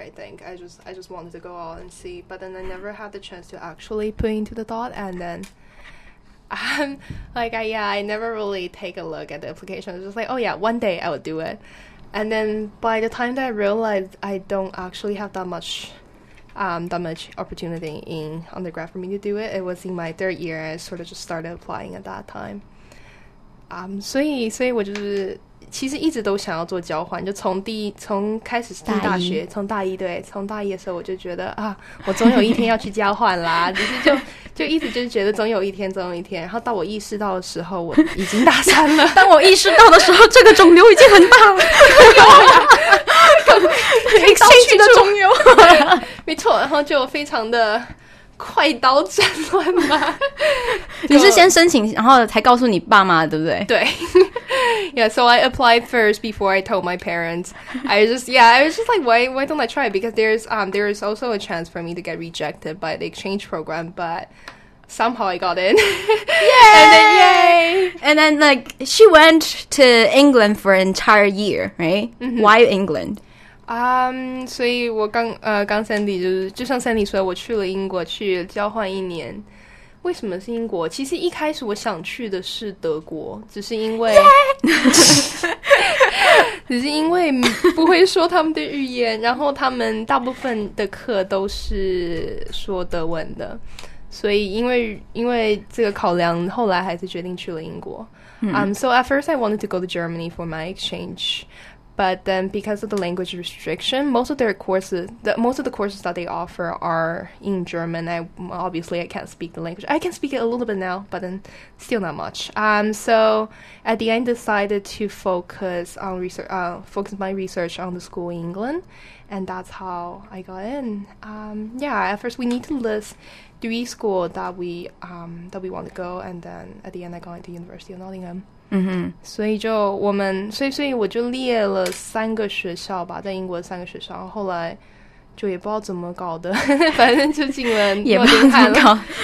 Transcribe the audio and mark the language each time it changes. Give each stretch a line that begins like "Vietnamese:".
English: I think I just wanted to go out and see, but then I never had the chance to actually put into the thought, and then I never really take a look at the application. I was just like, oh yeah, one day I would do it, and then by the time that I realized I don't actually have that much opportunity in undergrad for me to do it, it was in my third year. I sort of just started applying at that time. So I just
Chinese: 其实一直都想要做交换，就从大一的时候，我就觉得啊，我总有一天要去交换啦。只是就一直就是觉得总有一天，然后到我意识到的时候，我已经大三了。当我意识到的时候，这个肿瘤已经很大了。
English: Exchange
Chinese: 的肿瘤，没错，然后就非常的快刀斩乱麻。你是先申请，然后才告诉你爸妈，对不对？
English: 对。Yeah, so I applied first before I told my parents. I was just like, why don't I try? Because there's also a chance for me to get rejected by the exchange program, but somehow I got in. Yay! And then like, she went to England for an entire year, right? Mm-hmm. Why England? So I just Sandy, just like Sandy said, I went to England to exchange for a year.
Chinese: 为什么是英国？其实一开始我想去的是德国，只是因为、
English: yeah!
Chinese: 只是因为不会说他们的语言，然后他们大部分的课都是说德文的，所以因为这个考量，后来还是决定去了英国。
English: So at first I wanted to go to Germany for my exchange, but then because of the language restriction, most of the courses that they offer are in German. I can't speak the language. I can speak it a little bit now, but then still not much. So at the end, decided to focus my research on the school in England, and that's how I got in. At first we need to list three schools that we want to go, and then at the end I got into University of Nottingham.
Chinese: 所以我就列了三个学校吧，在英国的三个学校，后来就也不知道怎么搞的，反正就进了诺丁汉了。